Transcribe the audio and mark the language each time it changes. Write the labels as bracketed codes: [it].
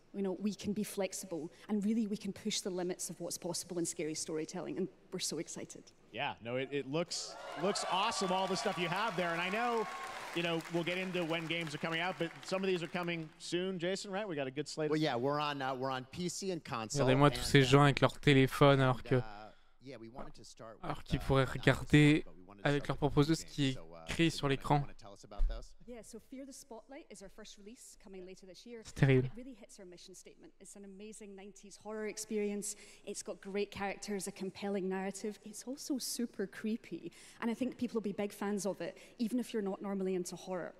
[en] You know, we can be flexible, and really we can push the limits of what's possible in scary storytelling, and we're so excited. Yeah, no, it looks awesome, all the stuff you have there. And I know, you know, we'll get into when games are coming out, but some of these are coming soon, Jason, right? We got a good slate. Well, yeah, we're on PC and console. [fr] Regardez-moi tous ces gens avec leur téléphone alors que alors qu'ils pourraient regarder avec leur propos ce qui est écrit sur l'écran. [en] Yeah, so Fear the Spotlight is our first release coming later this year. [fr] C'est terrible. [en] It really hits our mission statement. It's an amazing 90s horror experience. It's got great characters, a compelling narrative. It's also super creepy. And I think people will be big fans of it, even if you're not normally into horror.